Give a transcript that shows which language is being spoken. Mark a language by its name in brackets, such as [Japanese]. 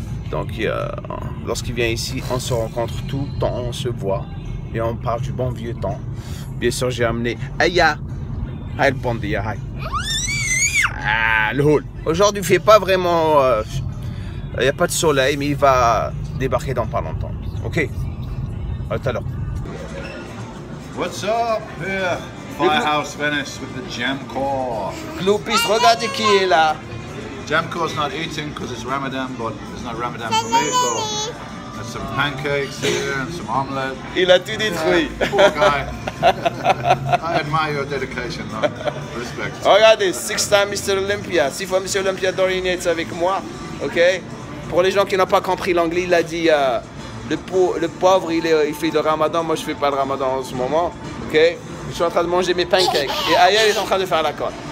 [French] Donc lorsqu'il vient ici, on se rencontre tout le temps, on se voit et on parle du bon vieux temps. Bien sûr, j'ai amené Aya. Hi, bon dia, hi. Le hall. Aujourd'hui, il ne fait pas vraiment. Il n'y a pas de soleil, mais il va débarquer dans pas longtemps. Ok. À tout à l'heure. [English] What's up here? Firehouse Venice with the Jamcore. [French] Gloopies, regardez qui est là. [English] Jamcore's not eating because it's Ramadan, but it's not Ramadan for me, so. There's some pancakes here and some omelette. [French] Il a tout détruit. [English] Poor guy. I admire your dedication, though. Respect. [French] Regardez, 6-time Mr. Olympia. 6 fois Mr. Olympia Dorian Yates avec moi. Ok? Pour les gens qui n'ont pas compris l'anglais, il a dit le pauvre, il fait le ramadan. Moi, je fais pas le ramadan en ce moment. Ok? Je suis en train de manger mes pancakes. Et Ayel est en train de faire la côte.